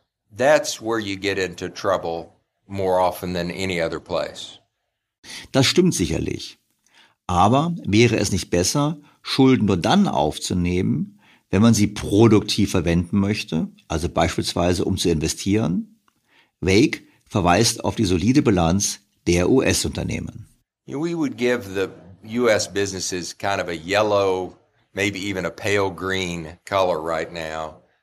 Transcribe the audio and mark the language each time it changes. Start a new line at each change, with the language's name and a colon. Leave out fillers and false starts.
English: That's where you get into trouble more often than any other place.
German: Das stimmt sicherlich. Aber wäre es nicht besser, Schulden nur dann aufzunehmen, wenn man sie produktiv verwenden möchte, also beispielsweise um zu investieren? Wake verweist auf die solide Bilanz der US-Unternehmen.
English: We would give the US businesses kind of a yellow, maybe even a pale green color right now.